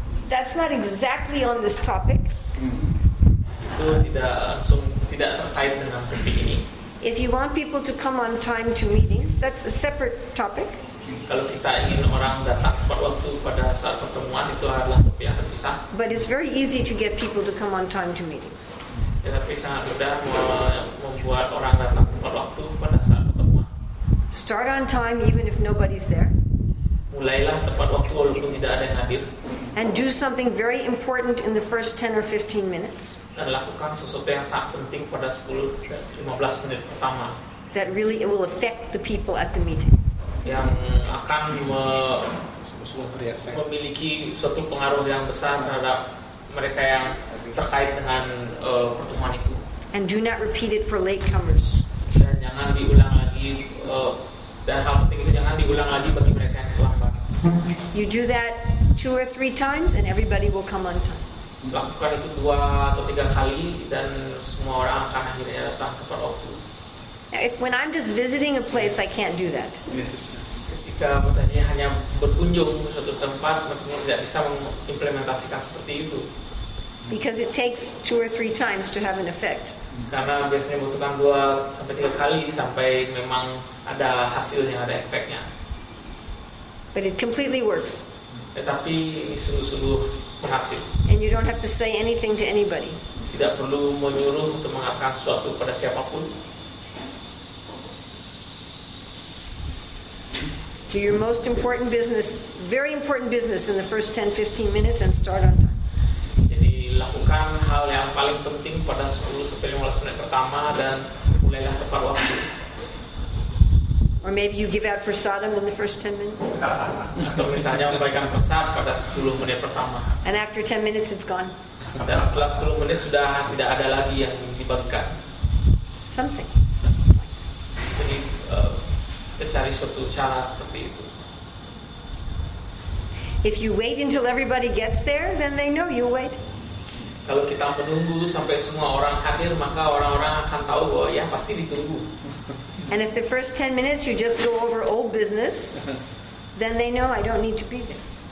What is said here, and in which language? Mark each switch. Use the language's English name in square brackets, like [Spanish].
[English] That's not exactly on this topic. [Indonesian] Itu tidak terkait dengan topik ini. [English] If you want people to come on time to meetings, that's a separate topic. [Indonesian] Kalau kita ingin orang datang pada waktu pada saat pertemuan itu adalah topik yang terpisah. [English] But it's very easy to get people to come on time to meetings. [Indonesian] Tetapi sangat mudah membuat orang datang pada waktu pada saat pertemuan. [English] Start on time even if nobody's there. [Indonesian] Mulailah tepat waktu walaupun tidak ada yang hadir. [English] And do something very important in the first 10 or 15 minutes. [Indonesian] Dan lakukan sesuatu yang sangat penting pada 10-15 menit pertama. [English] That really it will affect the people at the meeting. [Indonesian] Yang akan memiliki suatu pengaruh yang besar terhadap mereka yang terkait dengan pertemuan itu. [English] And do not repeat it for latecomers. [Indonesian] Dan jangan diulang lagi. Dan hal penting itu jangan diulang lagi bagi mereka yang terlambat. [English] You do that 2 or 3 times and everybody will come on time. [Indonesian] melakukan itu dua atau tiga kali dan semua orang akan akhirnya datang kepada waktu. [English] If, when I'm just visiting a place, I can't do that. [Indonesian] Ketika bertanya hanya berkunjung ke suatu tempat, maksudnya tidak bisa mengimplementasikan seperti itu. [English] Because it takes two or three times to have an effect. [Indonesian] Karena biasanya membutuhkan dua sampai tiga kali sampai memang ada hasilnya, ada efeknya. [English] But it completely works. [Indonesian] Tetapi ini sungguh-sungguh berhasil. [English] And you don't have to say anything to anybody. [Indonesian] Tidak perlu menyuruh untuk mengatakan sesuatu pada siapapun. [English] Do your most important business, very important business in the first 10-15 minutes and start on time. [Indonesian] Jadi lakukan hal yang paling penting pada 10-15 menit pertama dan mulailah tepat waktu. [English] Or maybe you give out prasadam in the first 10 minutes. [Indonesian] Atau misalnya memberikan prasad pada 10 menit pertama. [English] And after 10 minutes it's gone. [Indonesian] Dan setelah 10 menit sudah tidak ada lagi yang dibagikan. [English] Something. [Indonesian] Jadi cari suatu cara seperti itu. [English] If you wait until everybody gets there, then they know you wait. [Indonesian] Kalau kita menunggu sampai semua orang hadir, maka orang-orang akan tahu bahwa ya pasti ditunggu. [English] And if the first 10 minutes you just go over old business, then they know I don't need to be there.